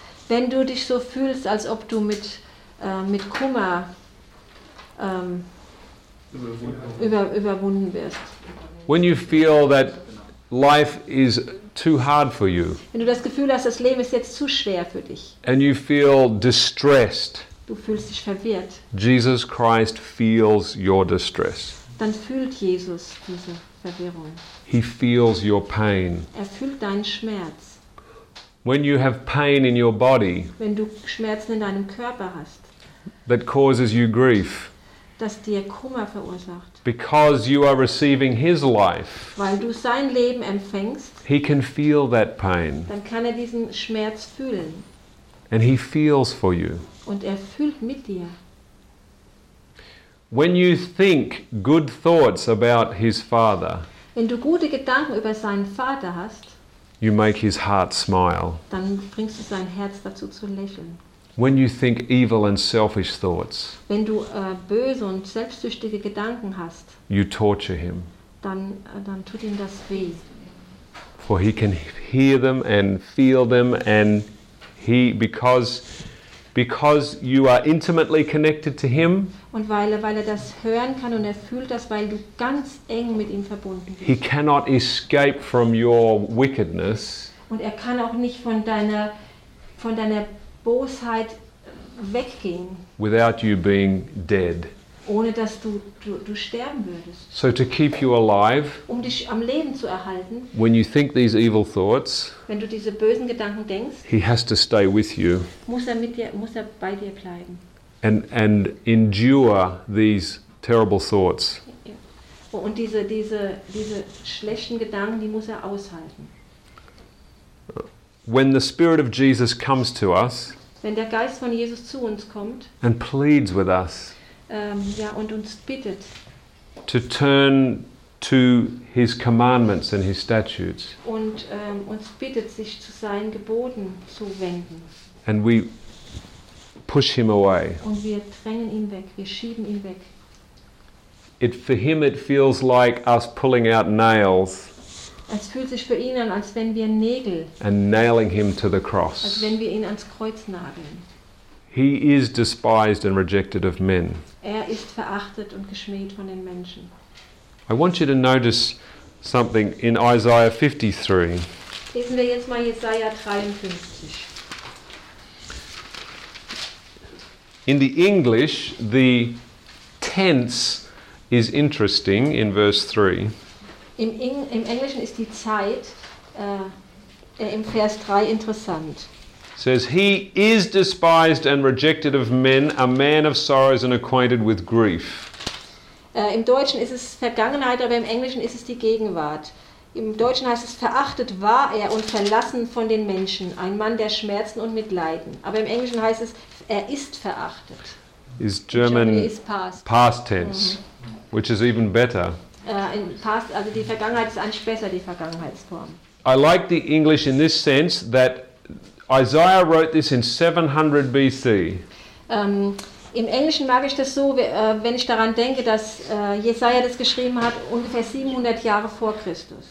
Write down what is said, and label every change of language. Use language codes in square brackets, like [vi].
[de] Wenn du dich so fühlst, als ob du mit Kummer überwunden wirst. [en] When you feel that life is too hard for you. [de] Wenn du das Gefühl hast, das Leben ist jetzt zu schwer für dich. [en] And you feel distressed. [de] Du fühlst dich verwirrt. [en] Jesus Christ feels your distress. [de] Dann fühlt Jesus diese Verwirrung. [en] He feels your pain. [de] Er fühlt deinen Schmerz. [en] When you have pain in your body. [de] Wenn du Schmerzen in deinem Körper hast. [en] That causes you grief. [de] Das dir Kummer verursacht. [en] Because you are receiving his life. [de] Weil du sein Leben empfängst. [en] He can feel that pain. [de] Dann kann er diesen Schmerz fühlen. [en] And he feels for you. [de] Und er fühlt mit dir. [en] When you think good thoughts about his father. [de] Wenn du gute Gedanken über seinen Vater hast. [en] You make his heart smile. [de] Dann bringst du sein Herz dazu zu lächeln. [en] When you think evil and selfish thoughts. [de] Wenn du böse und selbstsüchtige Gedanken hast. [en] You torture him. [de] Dann tut ihm das weh. [en] For he can hear them and feel them and he because you are intimately connected to him. [de] Und weil er das hören kann und er fühlt das, weil du ganz eng mit ihm verbunden bist. [en] He cannot escape from your wickedness. [de] Und er kann auch nicht von deiner Bosheit weggehen. [en] Without you being dead. [de] Ohne dass du sterben würdest. [en] So to keep you alive. [de] Um dich am Leben zu erhalten. [en] When you think these evil thoughts. [de] Wenn du diese bösen Gedanken denkst. [en] He has to stay with you. [de] Muss er bei dir bleiben. [en] And endure these terrible thoughts. [de] Und diese schlechten Gedanken, die muss er aushalten. [en] When the Spirit of Jesus comes to us. [de] Wenn der Geist von Jesus zu uns kommt. [en] And pleads with us. [de] Und uns bittet. [en] To turn to his commandments and his statutes. [de] Und uns bittet, sich zu seinen Geboten zu wenden. [en] And we push him away. [de] Und wir drängen ihn weg, wir schieben ihn weg. [en] It for him it feels like us pulling out nails. [de] Es fühlt sich für ihn an, als wenn wir Nägel. [en] And nailing him to the cross. [de] Als wenn wir ihn ans Kreuz nageln. [en] He is despised and rejected of men. [de] Er ist verachtet und geschmäht von den Menschen. [en] I want you to notice something in Isaiah 53. [de] Lesen wir jetzt mal Jesaja 53. [en] In the English, the tense is interesting in verse 3. [de] Im Englischen ist die Zeit im Vers 3 interessant. [en] Says he is despised and rejected of men, a man of sorrows and acquainted with grief. [de] Im Deutschen ist es Vergangenheit, aber im Englischen ist es die Gegenwart. Im Deutschen heißt es, verachtet war er und verlassen von den Menschen, ein Mann der Schmerzen und mit Leiden. Aber im Englischen heißt es, er ist verachtet. [en] Is German past tense, mm-hmm. Which is even better. In past, [de] also die Vergangenheit ist eigentlich besser, die Vergangenheitsform. [en] I like the English in this sense that Isaiah wrote this in 700 BC. [de] Im Englischen mag ich das so, wenn ich daran denke, dass Jesaja das geschrieben hat ungefähr 700 Jahre vor Christus.